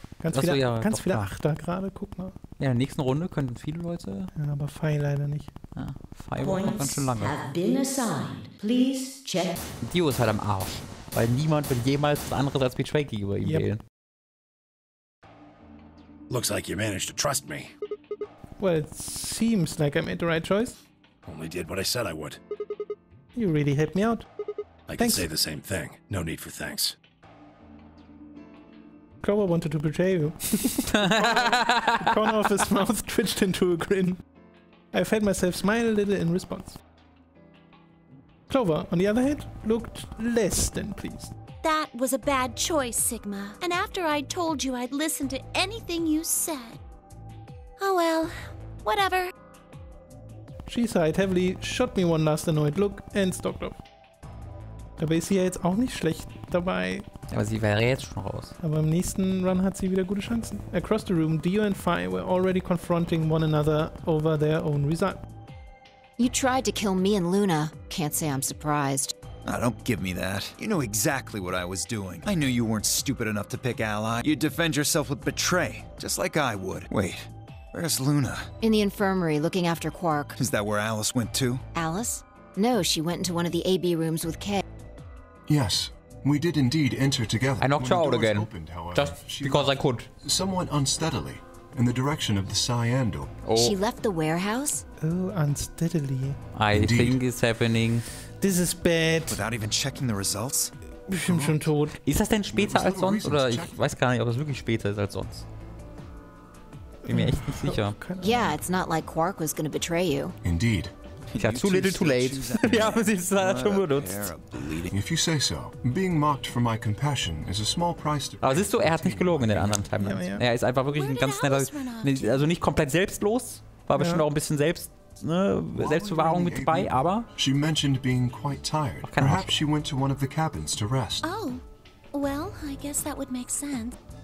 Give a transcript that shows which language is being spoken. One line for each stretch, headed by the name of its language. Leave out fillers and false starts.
German: Ganz viele, ja, ganz viele Achter gerade, guck mal. Ja, in der nächsten Runde könnten viele Leute. Ja, aber Fei leider nicht. Ja, Fei war noch ganz schön lange. Check. Dio ist halt am Arsch. Weil niemand will jemals was anderes als Betray gegenüber ihm wählen.
English: Looks like you managed to trust me. Well, it seems like I made the right choice. Only did what I said I would. You really helped me out. I can say the same thing. No need for thanks. Clover wanted to betray you. The corner of his mouth twitched into a grin. I felt myself smile a little in response. Clover, on the other hand, looked less than pleased. That was a bad choice, Sigma. And after I told you I'd listen to anything you said. Oh well, whatever. She sighed heavily, shot me one last annoyed look, and stalked off.
German: Dabei ist sie ja jetzt auch nicht schlecht dabei. Aber sie wäre jetzt schon raus. Aber im nächsten Run hat sie wieder gute Chancen.
English: Across the room, Dio and Fei were already confronting one another over their own result. You tried to kill me and Luna. Can't say I'm surprised. Ah, don't give me that. You know exactly what I was doing. I knew you weren't stupid enough to pick Ally. You'd defend yourself with betray, just like I would. Wait, where's Luna? In the infirmary, looking after Quark. Is that where Alice went to? Alice? No, she went into one of the AB rooms with Kay. Yes, we did indeed enter together. I knocked her out again. Opened, however, just because I could. Somewhat unsteadily, in the direction of the cyan door. Oh. She left the warehouse? Oh, unsteadily. Indeed. I think it's happening. This is bad. Without even checking the results?
German: Bestimmt schon tot. Ist das denn später als sonst? Oder ich weiß gar nicht, ob es wirklich später ist als sonst. Bin mir echt nicht sicher.
English: Yeah, it's not like Quark was gonna betray you. Indeed.
German: Ja,
English: too little, too late.
German: Wir haben sie schon benutzt.
English: If you say so, being mocked for my compassion is a small price to pay.
German: Aber siehst du, er hat nicht gelogen in den anderen Timelines. Ja, ja. Er ist einfach wirklich ein ganz netter, also nicht komplett selbstlos, war aber schon auch ein bisschen selbst, ne, Selbstbewahrung mit dabei, aber...
English: She mentioned being quite tired. Perhaps she went to one of the cabins to rest. Oh, well, I guess that would make sense.